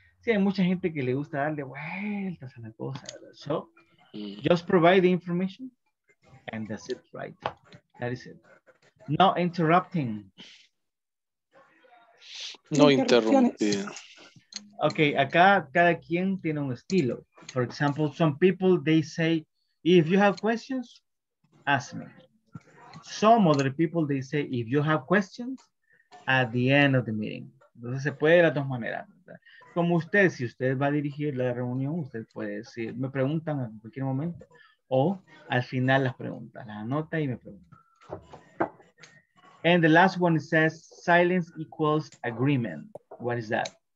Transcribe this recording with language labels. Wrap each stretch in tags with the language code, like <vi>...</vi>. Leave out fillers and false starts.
<es>Sí, hay mucha gente que le gusta darle vueltas a la cosa.</es> <en>So, just provide the information and that's it, right? That is it. No interrupting.</en> <es>No interrumpir. Okay, acá cada quien tiene un estilo.</es> <en>For example, some people, they say, if you have questions, ask me. Some other people, they say, if you have questions, at the end of the meeting.</en> <es>Entonces, se puede de las dos maneras, ¿verdad? Como usted, si usted va a dirigir la reunión, usted puede decir, me preguntan en cualquier momento, o al final las preguntas, las anota y me pregunta.</es> <en>And the last one says, silence equals agreement. What is that?</en>